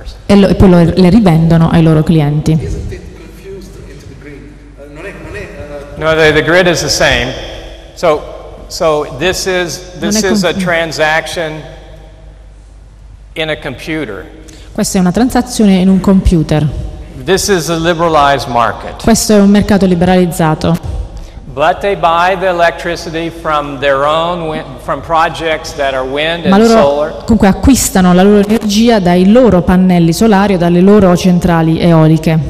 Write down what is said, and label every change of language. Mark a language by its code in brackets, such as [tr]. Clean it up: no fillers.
[it] E poi le rivendono ai loro clienti. [en] No, the grid is the same. So this is a transaction in a computer. [it] Questa è una transazione in un computer. [en] This is a liberalized market. [it] Questo è un mercato liberalizzato. [en] But they buy the electricity from their own from projects that are wind and solar. [it] Ma loro comunque acquistano la loro energia dai loro pannelli solari o dalle loro centrali eoliche.